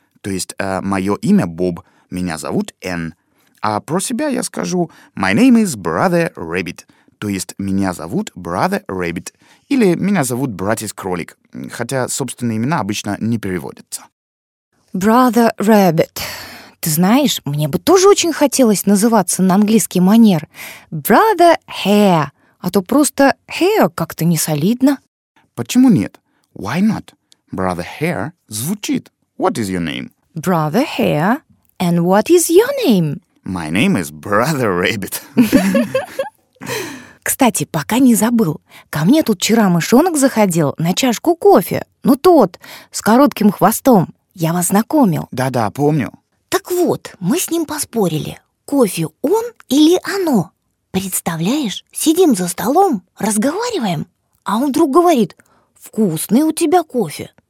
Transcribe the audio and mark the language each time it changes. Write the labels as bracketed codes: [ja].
[ru] То есть, мое имя Боб, меня зовут Энн. А про себя я скажу [en] «My name is Brother Rabbit», [ru] то есть «Меня зовут Brother Rabbit» или «Меня зовут Братец Кролик», хотя собственные имена обычно не переводятся. [en] Brother Rabbit. [ru] Ты знаешь, мне бы тоже очень хотелось называться на английский манер Brother Hare, а то просто Hare как-то не солидно. Почему нет? [en] Why not? [ru] Brother Hare звучит. [en] What is your name? Brother Hare. And what is your name? My name is Brother Rabbit. [ru] Кстати, пока не забыл, ко мне тут вчера мышонок заходил на чашку кофе. Ну тот, с коротким хвостом. Я вас знакомил. Да-да, помню. Так вот, мы с ним поспорили, кофе он или оно. Представляешь, сидим за столом, разговариваем, а он вдруг говорит, вкусный у тебя кофе.